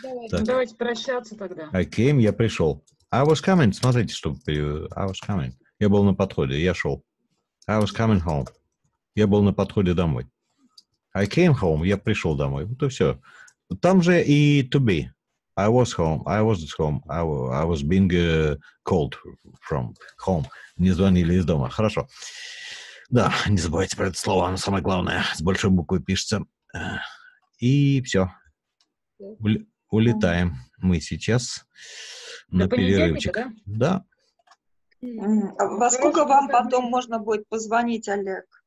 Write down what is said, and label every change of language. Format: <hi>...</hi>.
<ru>Давайте прощаться тогда.</ru> <en>I came,</en> <ru>я пришел.</ru> <en>I was coming.</en> <ru>Смотрите, что... Я был на подходе, я шел.</ru> <en>I was coming home.</en> <ru>Я был на подходе домой.</ru> <en>I came home,</en> <ru>я пришел домой. Вот и все. Там же и to be.</ru> <en>I was home. I was being called from home.</en> <ru>Не звонили из дома. Хорошо. Да, не забывайте про это слово. Оно самое главное. С большой буквы пишется. И все. Улетаем мы сейчас. На перерывчик. Да? Да. Во сколько вам потом можно будет позвонить, Олег?</ru>